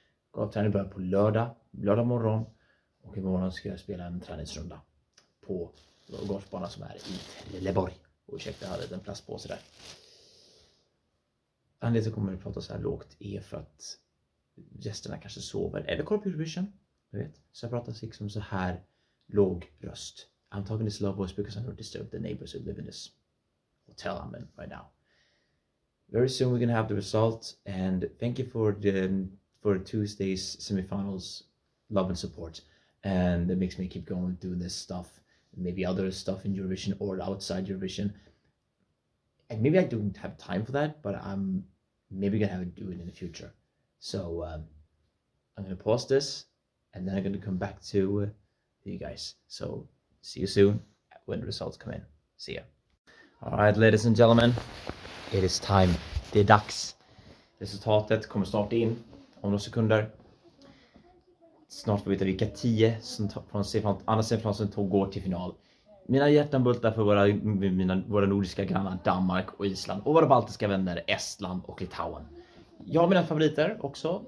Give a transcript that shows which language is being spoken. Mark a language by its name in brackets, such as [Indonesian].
[Swedish] Golfträning börjar på lördag morgon. Och imorgon ska jag spela en träningsrunda på golfbanan som är i Trelleborg. Och ursäkta, jag hade en plastpåse där. Anledningen till kommer att prata så här lågt är för att gästerna kanske sover. Eller kollar på Eurovision, jag vet. Så jag pratar liksom så här låg röst. [English] I'm talking this low voice because I don't disturb the neighbors who live in this hotel I'm in right now. Very soon we're gonna have the result. And thank you for Tuesday's semifinals. Love and support. And it makes me keep going doing this stuff. Maybe other stuff in Eurovision or outside Eurovision. And maybe I don't have time for that, but I'm maybe going to have to do it in the future. So I'm going to pause this and then I'm going to come back to you guys. So see you soon when the results come in. See ya. All right, ladies and gentlemen, it is time. [Swedish] Det är dags. Resultatet kommer snart in om några sekunder. Snart får vi veta vilka 10 som från andra semifinalen som går till final. Mina hjärtan bultar för våra nordiska grannar Danmark och Island. Och våra baltiska vänner Estland och Litauen. Jag har mina favoriter också.